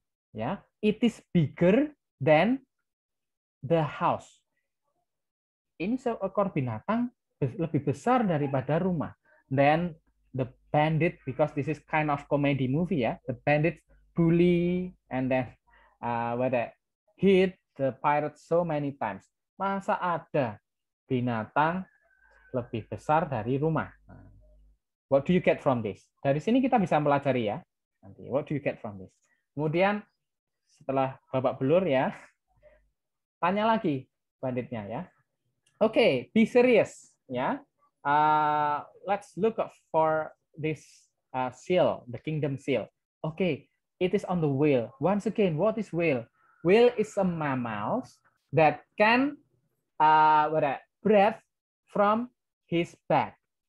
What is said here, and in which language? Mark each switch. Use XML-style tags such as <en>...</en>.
<en>Yeah, it is bigger than the house.</en> <id>Ini seekor binatang lebih besar daripada rumah.</id> <en>Then the bandit, because this is kind of comedy movie, yeah, the bandit bully and then hit the pirate so many times.</en> <id>Masa ada binatang lebih besar dari rumah?</id> <en>What do you get from this?</en> <id>Dari sini kita bisa pelajari ya. Nanti,</id> <en>what do you get from this?</en> <id>Kemudian setelah babak belur ya, tanya lagi banditnya ya.</id> <en>Okay, be serious ya. Let's look for this seal, the kingdom seal. Okay, it is on the whale. Once again, what is whale? Whale is a mammal that can breathe from his back.</en>